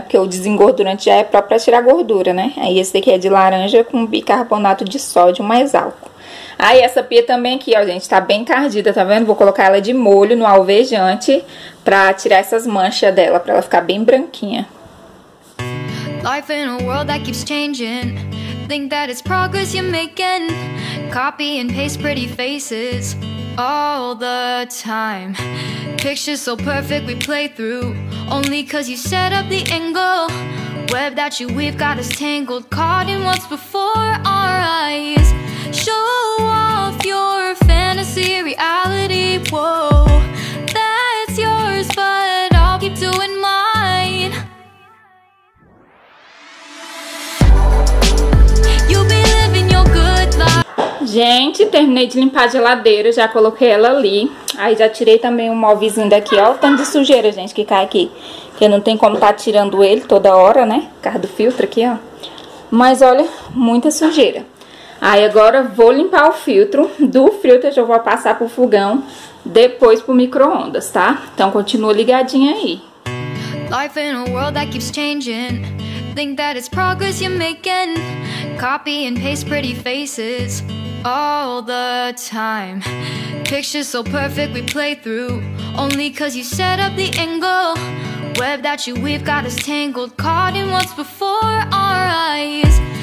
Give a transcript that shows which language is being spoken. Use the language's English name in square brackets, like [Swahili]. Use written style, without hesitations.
[Portuguese] Porque o desengordurante já é próprio pra tirar gordura, né? Aí esse daqui é de laranja com bicarbonato de sódio mais álcool. Aí essa pia também aqui, ó, gente, tá bem encardida, tá vendo? Vou colocar ela de molho no alvejante pra tirar essas manchas dela, pra ela ficar bem branquinha. [English] Life in a world that keeps changing. Think that it's progress you're making. Copy and paste pretty faces. All the time. Pictures so perfect we play through. Only 'cause you set up the angle. Web that you weave got us tangled. Caught in what's before our eyes. Show off your fantasy reality. Whoa, that's yours, but I'll keep doing mine. You'll be living your good life. [Portuguese] Gente, terminei de limpar a geladeira, já coloquei ela ali. Aí já tirei também o móvelzinho daqui, ó, o tanto de sujeira, gente, que cai aqui. Que não tem como tá tirando ele toda hora, né, por causa do filtro aqui, ó. Mas olha, muita sujeira. Aí agora vou limpar o filtro, do filtro eu já vou passar pro fogão, depois pro micro-ondas, tá? Então continua ligadinha aí. [English] Life in a world that keeps changing. think that it's progress you're making. Copy and paste pretty faces all the time. Pictures so perfect we play through, only 'cause you set up the angle. Web that you weave got us tangled, caught in what's before our eyes.